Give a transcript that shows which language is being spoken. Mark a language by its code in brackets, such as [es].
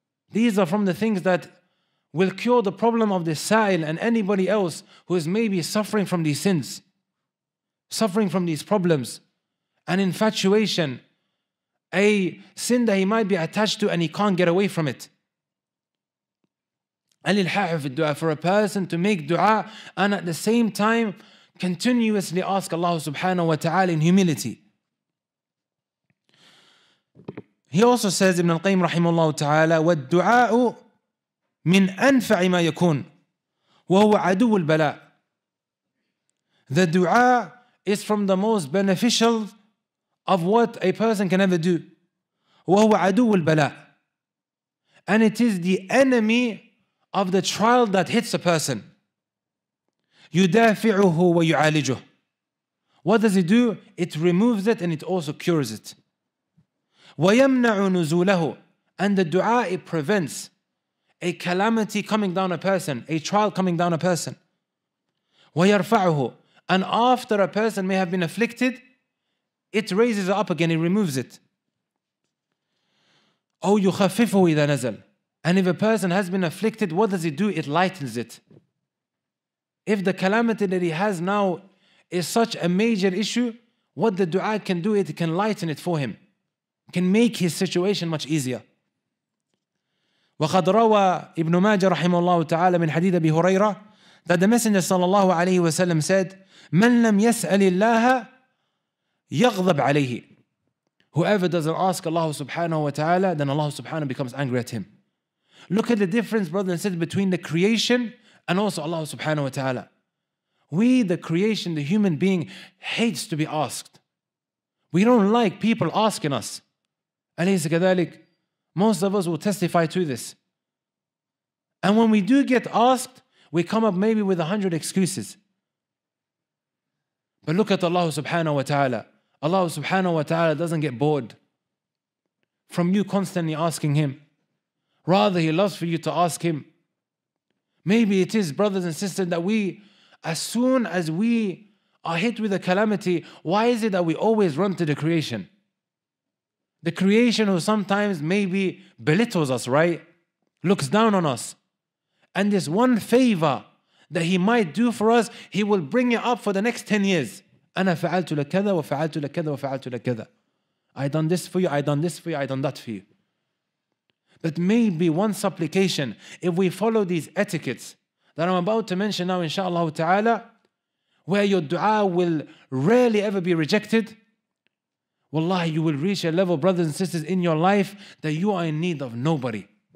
[en] These are from the things that will cure the problem of the sa'il and anybody else who is maybe suffering from these sins, suffering from these problems, an infatuation, a sin that he might be attached to and he can't get away from it. [ar] Al-ilhahu fi du'a, [en] for a person to make du'a and at the same time continuously ask Allah subhanahu wa ta'ala in humility. He also says, Ibn al-Qayyim rahimahullah ta'ala, [ar] وَالدُّعَاءُ مِنْ أَنْفَعِ مَا يَكُونَ وَهُوَ عَدُوُ الْبَلَاءِ. [en] The dua is from the most beneficial of what a person can ever do. [ar] وَهُوَ عَدُوُ الْبَلَاءِ, [en] and it is the enemy of the trial that hits a person. [ar] يُدَافِعُهُ وَيُعَالِجُهُ. [en] What does it do? It removes it and it also cures it. [ar] وَيَمْنَعُ نُزُولَهُ, [en] and the dua, it prevents a calamity coming down a person, a trial coming down a person. [ar] وَيَرْفَعُهُ, [en] and after a person may have been afflicted, it raises it up again, it removes it. [ar] أَوْ يُخَفِّفُهُ إِذَا نَزَلْ, [en] and if a person has been afflicted, what does it do? It lightens it. If the calamity that he has now is such a major issue, what the dua can do, it can lighten it for him, can make his situation much easier. [ar] وَقَدْ رَوَى إِبْنُ مَاجَ رَحِمُ اللَّهُ تَعَالَى مِنْ حَدِيثِ أَبِي هُرَيْرَةَ [en] that the Messenger صلى الله عليه وسلم said, [ar] مَنْ لَمْ يَسْأَلِ اللَّهَ يَغْضَبْ عَلَيْهِ, [en] whoever doesn't ask Allah subhanahu wa ta'ala, then Allah subhanahu becomes angry at him. Look at the difference, brothers and sisters, between the creation and also Allah subhanahu wa ta'ala. We, the creation, the human being, hates to be asked. We don't like people asking us. [ar] أَلَيْسَ كَذَلِكَ. [en] Most of us will testify to this. And when we do get asked, we come up maybe with 100 excuses. But look at Allah subhanahu wa ta'ala. Allah subhanahu wa ta'ala doesn't get bored from you constantly asking Him. Rather, He loves for you to ask Him. Maybe it is, brothers and sisters, that we, as soon as we are hit with a calamity, why is it that we always run to the creation? The creation who sometimes maybe belittles us, right? Looks down on us. And this one favor that he might do for us, he will bring it up for the next 10 years. [ar] أنا فعلت لك كذا وفعلت لك كذا وفعلت لك كذا. [en] I done this for you, I done this for you, I done that for you. But maybe one supplication, if we follow these etiquettes that I'm about to mention now, inshallah ta'ala, where your dua will rarely ever be rejected, wallahi, you will reach a level, brothers and sisters, in your life that you are in need of nobody.